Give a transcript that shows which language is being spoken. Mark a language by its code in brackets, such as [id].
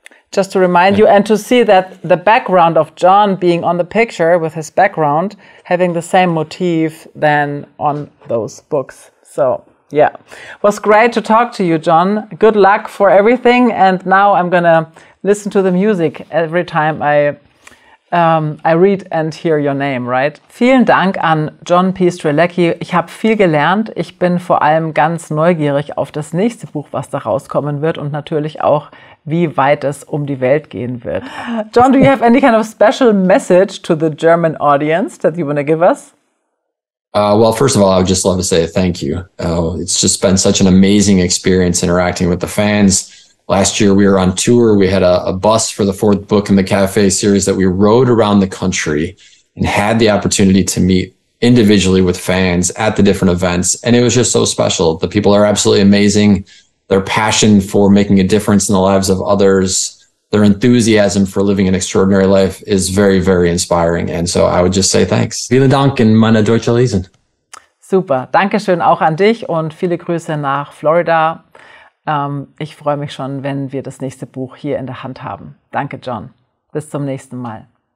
[en] Just to remind you and to see that the background of John being on the picture with his background, having the same motif than on those books. So, yeah, was great to talk to you, John. Good luck for everything. And now I'm going to listen to the music every time I read and hear your name, right? [de] Vielen Dank an John P. Strelecky. Ich habe viel gelernt. Ich bin vor allem ganz neugierig auf das nächste Buch, was da rauskommen wird und natürlich auch, wie weit es um die Welt gehen wird. [en] John, do you have any kind of special message to the German audience that you want to give us? Well, first of all, I would just love to say thank you. It's just been such an amazing experience interacting with the fans. Last year we were on tour. We had a bus for the fourth book in the Cafe series that we rode around the country and had the opportunity to meet individually with fans at the different events. And it was just so special. The people are absolutely amazing. Their passion for making a difference in the lives of others, their enthusiasm for living an extraordinary life is very, very inspiring. And so I would just say thanks. [de] Vielen Dank in meine deutsche Lesen. Super. Dankeschön auch an dich und viele Grüße nach Florida. Ich freue mich schon, wenn wir das nächste Buch hier in der Hand haben. Danke, John. Bis zum nächsten Mal.